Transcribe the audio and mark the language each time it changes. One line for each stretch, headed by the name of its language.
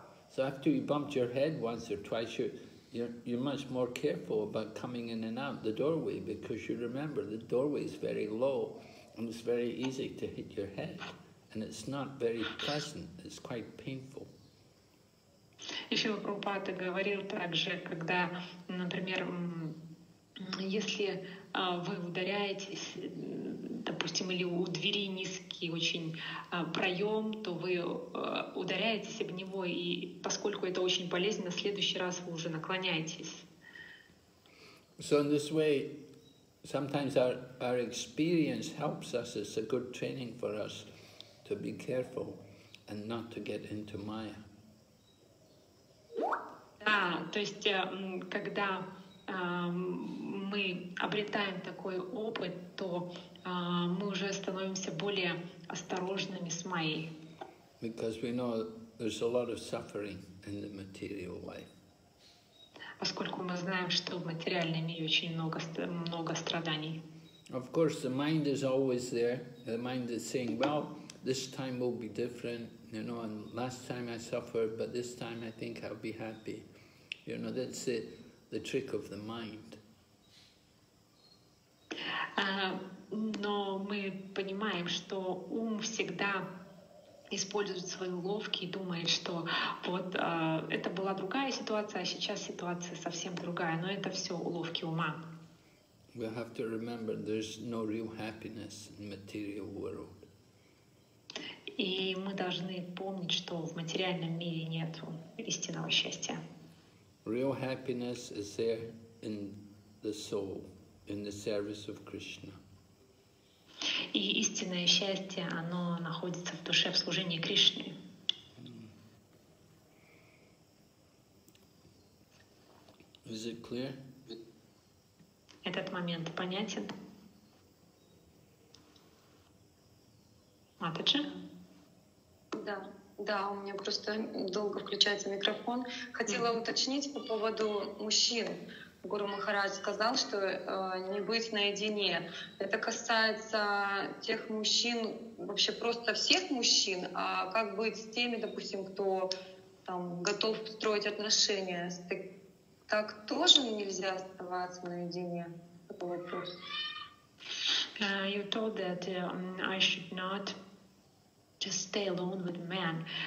English: So after you bumped your head once or twice, you're much more careful about coming in and out the doorway, because you remember the doorway is very low and it's very easy to hit your head, and it's not very pleasant, it's quite painful.
Russian: Ещё Прабхупада говорил также, когда, например, если вы ударяетесь, допустим, или у двери низкий, узкий очень проем, то вы ударяетесь об него, и поскольку это очень полезно, в следующий раз вы уже наклоняетесь.
English: So in this way, sometimes our experience helps us, it's a good training for us to be careful and not to get into Maya.
Russian: Да, то есть когда мы обретаем такой опыт, то мы уже становимся более осторожными с Майей.
English: Because we know there's a lot of suffering in the material life.
Russian: Поскольку мы знаем, что в материальном мире очень много страданий.
English: Of course, the mind is always there. The mind is saying, well, this time will be different, you know, and last time I suffered, but this time I think I'll be happy. You know, that's the trick of the mind.
Russian: Но мы понимаем, что ум всегда использует свои уловки и думает, что вот это была другая ситуация, а сейчас ситуация совсем другая. Но это все уловки ума. We have to remember there's no real happiness in material world. И мы должны помнить, что в материальном мире нет истинного счастья. Real happiness is there in the soul, in the service of Krishna. И истинное счастье, оно находится в душе, в служении Кришне. Is it clear? Этот момент понятен? Матаджи? Да. Да, у меня просто долго включается микрофон. Хотела уточнить по поводу мужчин. Гуру Махарадж сказал, что не быть наедине. Это касается тех мужчин, вообще просто всех мужчин, а как быть с теми, допустим, кто там готов строить отношения? Так тоже нельзя оставаться наедине? Такой вопрос.
English: You told that I should not just stay alone with men.